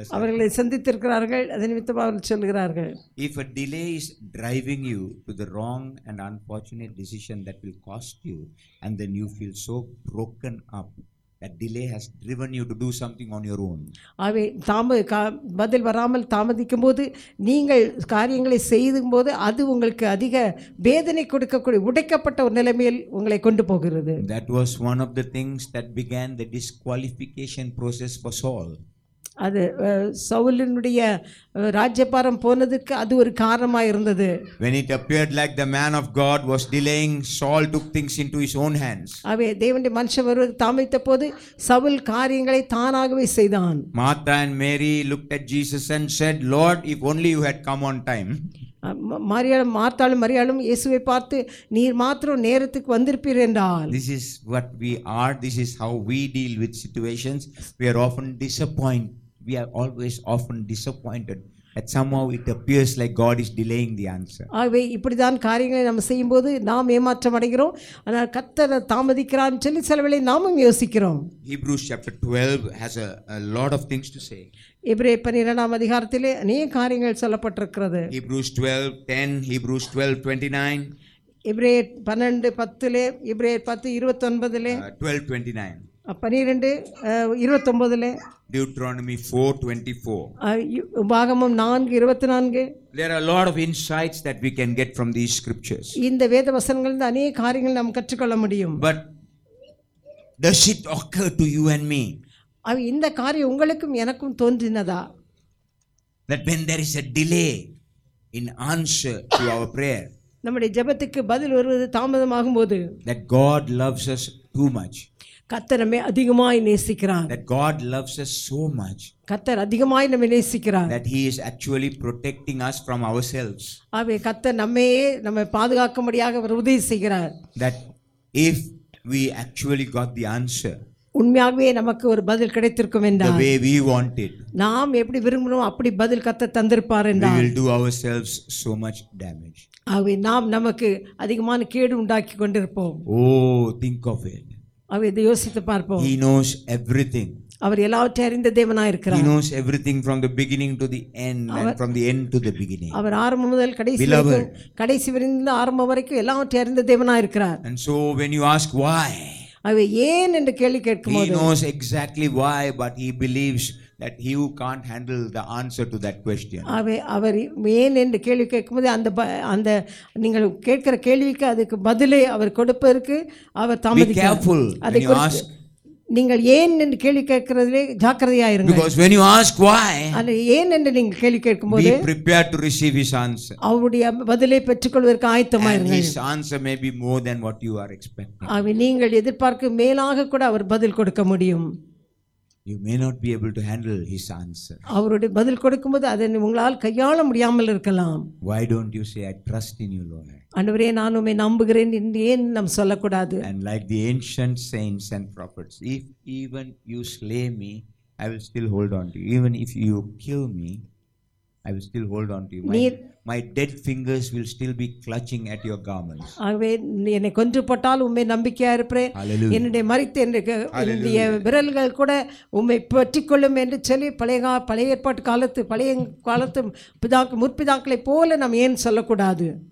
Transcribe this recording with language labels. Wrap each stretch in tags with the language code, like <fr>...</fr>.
<ta>அவர்களை சந்தித்திருக்கிறார்கள், அதை நிமித்தம் அவர்கள் சொல்கிறார்கள்.</ta> <en>If a delay is driving you to the wrong and unfortunate decision that will cost you, and then you feel so broken up, that delay has driven you to do something on your own.</en> <ta>அவை பதில் வராமல் தாமதிக்கும் போது நீங்கள் காரியங்களை செய்யும் போது அது உங்களுக்கு அதிக வேதனை கொடுக்கக்கூடிய உடைக்கப்பட்ட ஒரு நிலைமையில் உங்களை கொண்டு போகிறது.</ta> <en>That was one of the things that began the disqualification process for Saul.</en> <ta>அது சவுலினுடைய ராஜ்யபாரம் போனதுக்கு அது ஒரு காரணமாக இருந்தது.</ta> <en>When it appeared like the man of God was delaying, Saul took things into his own hands.</en> <ta>அவே தேவனுடைய மனுஷன் வருவது தாமதித்த போது சவுல் காரியங்களை தானாகவே செய்தான்.</ta> <en>Martha and Mary looked at Jesus and said, Lord, if only you had come on time.</en> <ta>மரியாளும் மார்த்தாளும் மரியாளும் இயேசுவை பார்த்து, நீர் மாத்திரம் நேரத்துக்கு வந்திருப்பீர் என்றால்.</ta> <en>This is what we are. This is how we deal with situations. We are often disappointed. We are always often disappointed that somehow it appears like God is delaying the answer.</en> <ta>ஆகவே இப்படிதான் காரியங்களை நாம் செய்யும்போது நாம் ஏமாற்றம் அடைகிறோம். ஆனால் கர்த்தர் தாமதிக்கிறான் சொல்லி சில வேளை நாமும் யோசிக்கிறோம்.</ta> <en>Hebrews chapter 12 has a lot of things to say.</en> <ta>எபிரேயர் 12 அதிகாரத்திலே அநேக காரியங்கள் சொல்லப்பட்டிருக்கிறது.</ta> <en>Hebrews 12:10, Hebrews 12:29.</en> <ta>எபிரேயர் 12:10, எபிரேயர் 10:29.</ta> <en>12:29.</en> <ta>12:29.</ta> <en>Deuteronomy 4:24.</en> <ta>உபாகமம் 4:24.</ta> <en>There are a lot of insights that we can get from these scriptures.</en> <ta>இந்த வேத வசனங்களிலிருந்து அநேக காரியங்கள் நாம் கற்றுக்கொள்ள முடியும்.</ta> <en>But does it occur to you and me?</en> <ta>அவ இந்த காரியம் உங்களுக்கும் எனக்கும் தோன்றினதா?</ta> <en>That when there is a delay in answer to our prayer.</en> <ta>நம்முடைய ஜெபத்துக்கு பதில் வருவது தாமதமாகும் போது.</ta> <en>That God loves us too much.</en> <ta>கர்த்தர் நம்மை அதிகமாய் நேசிக்கிறார்.</ta> <en>That God loves us so much.</en> <ta>கர்த்தர் அதிகமாய் நம்மை நேசிக்கிறார்.</ta> <en>That he is actually protecting us from ourselves.</en> <ta>ஆகவே கர்த்தர் நம்மை பாதுகாக்கும்படியாக அவர் உதவி செய்கிறார்.</ta> <en>That if we actually got the answer.</en> <ta>உண்மையாகவே நமக்கு ஒரு பதில் கிடைத்திருக்கும் என்றால்,</ta> <en>the way we want it,</en> <ta>நாம் எப்படி விரும்புகிறோமோ அப்படி பதில் கர்த்தர் தந்திருப்பார் என்றால்,</ta> <en>we will do ourselves so much damage.</en> <ta>ஆகவே நாம் நமக்கு அதிகமான கேடு உண்டாக்கி கொண்டிருப்போம்.</ta> <en>Oh, think of it.</en> <ta>அவைதை யோசித்து பார்ப்போம்.</ta> <en>He knows everything.</en> <ta>அவர் எல்லாவற்றையும் அறிந்த தேவனாயிருக்கிறார்.</ta> <en>He knows everything from the beginning to the end and from the end to the beginning.</en> <ta>அவர் ஆரம்பம் முதல் கடைசி வரைக்கும் கடைசி வரையிலும் ஆரம்பம் வரைக்கும் எல்லாவற்றையும் அறிந்த தேவனாயிருக்கிறார்.</ta> <en>And so when you ask why?</en> <ta>அவை ஏன் என்று கேள்வி கேட்கும்போது</ta> <en>He knows exactly why but he believes that he who can't handle the answer to that question.</en> <ta>அவை அவர் ஏன் என்று கேள்வி கேட்கும்போது அந்த அந்த நீங்கள் கேட்கிற கேள்விக்கு அதுக்கு பதிலை அவர் கொடுப்பதற்கு அவர் தாமதிக்கிறார்.</ta> <en>Be careful when you ask.</en> <ta>நீங்கள் ஏன் என்று கேள்வி கேட்கிறதிலே ஜாக்கிரதையா இருங்க.</ta> <en>Because when you ask why,</en> <ta>அது ஏன் என்று நீங்கள் கேள்வி கேட்கும்போது</ta> <en>be prepared to receive his answer.</en> <ta>அவருடைய பதிலை பெற்றுக்கொள்வதற்கு ஆயத்தமா இருங்க.</ta> <en>His answer may be more than what you are expecting.</en> <ta>அவர் நீங்கள் எதிர்பார்க்கும் மேலாக கூட அவர் பதில் கொடுக்க முடியும்.</ta> <en>You may not be able to handle his answer.</en> <ta>அவருடைய பதில் கொடுக்கும்போது அதை உங்களால் கையாள முடியாமல் இருக்கலாம்.</ta> <en>Why don't you say I trust in you Lord?</en> <ta>ஆண்டவரே நான் உம்மை நம்புகிறேன் என்று ஏன் நாம் சொல்லக்கூடாது?</ta> <en>And like the ancient saints and prophets, if even you slay me, I will still hold on to you. Even if you kill me, I will still hold on to you. My dead fingers will still be clutching at your garments.</en> <ta>ஆவே என்னை கொன்று போட்டால் உம்மை நம்பிக்கையா இருப்பேன். என்னுடைய மரித்து என்னுடைய விரல்கள் கூட உம்மை பற்றிக்கொள்ளும் என்று சொல்லி பழைய ஏற்பாட்டு காலத்து பழைய காலத்து முற்பிதாக்களை போல நாம் ஏன் சொல்லக்கூடாது?</ta>